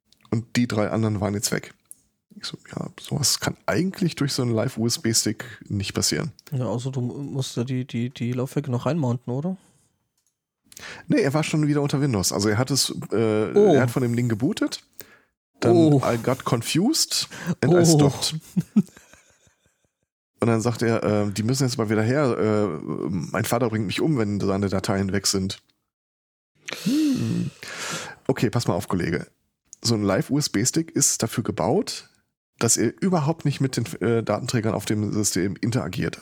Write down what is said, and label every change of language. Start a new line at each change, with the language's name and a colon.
German: Und die 3 anderen waren jetzt weg. Ich so, ja, sowas kann eigentlich durch so einen Live-USB-Stick nicht passieren. Ja, also du musst ja die Laufwerke noch reinmounten, oder? Nee, er war schon wieder unter Windows. Also er hat es, er hat von dem Ding gebootet. Dann, oh.
English: I got confused and I stopped.
German: Und dann sagt er, die müssen jetzt mal wieder her. Mein Vater bringt mich um, wenn seine Dateien weg sind. Hm. Okay, pass mal auf, Kollege. So ein Live-USB-Stick ist dafür gebaut, dass er überhaupt nicht mit den Datenträgern auf dem System interagiert.